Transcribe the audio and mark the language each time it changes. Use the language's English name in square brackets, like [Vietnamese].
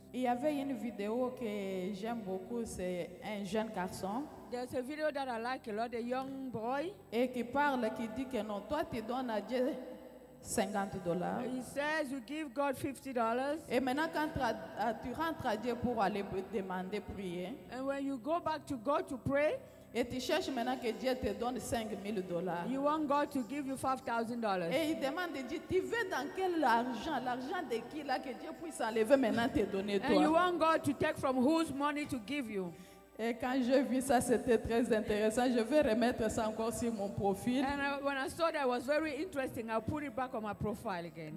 [French] Il y avait une vidéo que j'aime beaucoup, c'est un jeune garçon. [English] There's a video that I like a lot, a young boy. [French] Et qui parle, qui dit que non, toi tu donnes à Dieu $50. [English] He says you give God $50. [French] Et maintenant quand tu rentres à Dieu pour aller demander prier. [English] And when you go back to God to pray, [French] et tu cherches maintenant que Dieu te donne $5,000. [English] You want God to give you $5,000. [French] Et il demande Dieu, tu veux dans quel argent, l'argent de qui là que Dieu puisse enlever maintenant te donner toi. [English] And you want God to take from whose money to give you? [French] Et quand j'ai vu ça, c'était très intéressant. Je vais remettre ça encore sur mon profil. [English] And when I saw that it was very interesting, I put it back on my profile again.